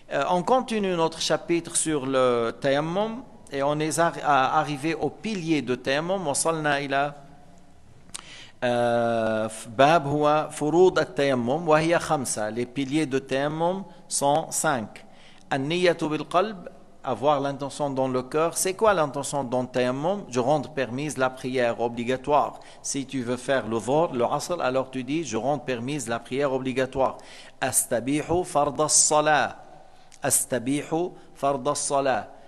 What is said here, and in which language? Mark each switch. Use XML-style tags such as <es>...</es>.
<fr>On continue notre chapitre sur le tayammum. Et on est arrivé au pilier de Tayammum.</fr> <ar>وصلنا إلى باب هو فروض التيمم وهي خمسة.</ar> <fr>Les piliers de tayammum sont cinq.</fr> <ar>النية بالقلب,</ar> <fr>avoir l'intention dans le cœur. C'est quoi l'intention dans le tayammum? Je rends permise la prière obligatoire. Si tu veux faire le dhuhr, le asr, alors tu dis je rends permise la prière obligatoire.</fr> <ar>Astabihu farda salah. Astabihu farda salah.</ar>